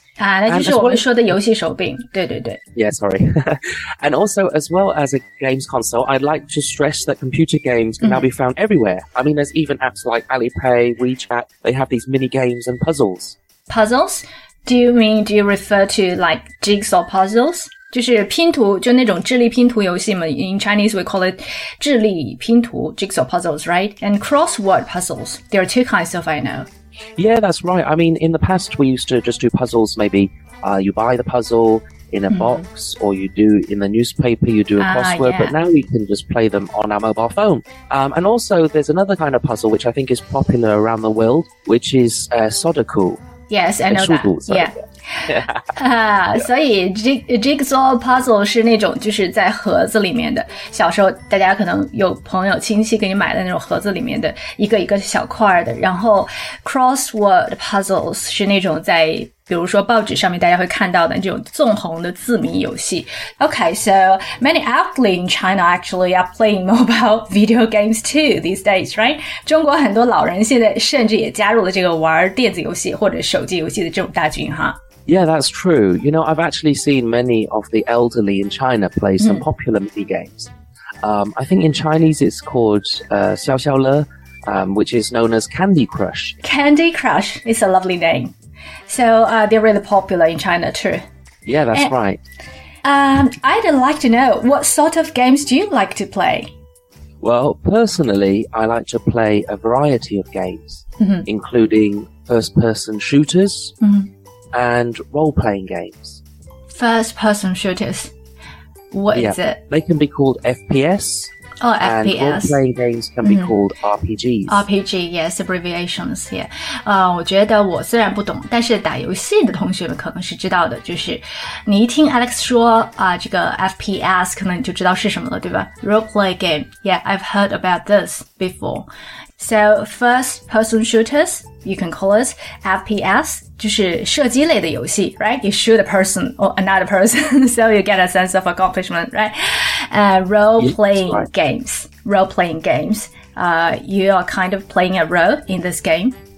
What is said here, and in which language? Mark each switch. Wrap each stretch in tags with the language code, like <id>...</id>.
<zh>那就是我们说的游戏手柄，对对对。</zh> <en>Yeah, sorry. And also, as well as a games console, I'd like to stress that computer games can now be found everywhere. I mean, there's even apps like Alipay, WeChat, they have these mini games and puzzles. Puzzles? Do you refer to like jigsaw puzzles?</en> <zh>就是拼图，就那种智力拼图游戏嘛。</zh> <en>In Chinese, we call it</en> <zh>智力拼图</zh> <en>jigsaw puzzles, right? And crossword puzzles. There are two kinds of, I know. Yeah, that's right. I mean, in the past, we used to just do puzzles. Maybe, you buy the puzzle in a box, or you do in the newspaper, you do a crossword. Yeah. But now we can just play them on our mobile phone. And also, there's another kind of puzzle, which I think is popular around the world, which is Sudoku. Yes, I know that. Sorry. Yeah.</en> <zh>所以 jigsaw puzzle 是那种就是在盒子里面的，小时候大家可能有朋友亲戚给你买的那种盒子里面的一个一个小块的。然后 crossword puzzles 是那种在比如说报纸上面大家会看到的这种纵横的字谜游戏。</zh> <en>Okay, so many elderly in China actually are playing mobile video games too these days, right?</en> <zh>中国很多老人现在甚至也加入了这个玩电子游戏或者手机游戏的这种大军哈。</zh> <en>Yeah, that's true. You know, I've actually seen many of the elderly in China play some popular mini games. I think in Chinese it's called 消消乐, which is known as Candy Crush. Candy Crush is a lovely name. So, they're really popular in China, too. Yeah, that's right. I'd like to know, what sort of games do you like to play? Well, personally, I like to play a variety of games, including first-person shooters and role-playing games. First-person shooters. What is it? They can be called FPS. Oh, FPS. And role-playing games can be called RPGs. RPG, yes, abbreviations, yeah.</en> <zh>我觉得我虽然不懂，但是打游戏的同学们可能是知道的，就是你一听 Alex 说这个 FPS, 可能你就知道是什么了，对吧？</zh> <en>Role-play game, yeah, I've heard about this before. So, first-person shooters, you can call it FPS,</en> <zh>就是射击类的游戏,</zh> <en>right? You shoot a person or another person, so you get a sense of accomplishment, right? Role-playing games. You are kind of playing a role in this game.</en>